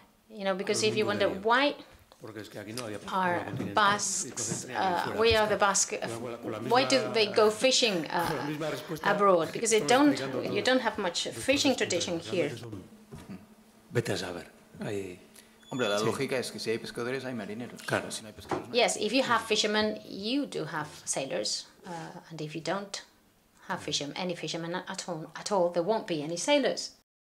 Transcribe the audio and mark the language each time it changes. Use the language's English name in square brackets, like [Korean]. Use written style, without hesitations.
[English] You know, because if you wonder why are Basques, we are the Basque, why do they go fishing abroad? Because you don't have much fishing tradition here. [Spanish] Vete a saber. Hombre, la lógica es que si hay pescadores, hay marineros. Claro. Si no hay pescadores, no. [English] Yes, if you have fishermen, you do have sailors. And if you don't have any fishermen at all, there won't be any sailors.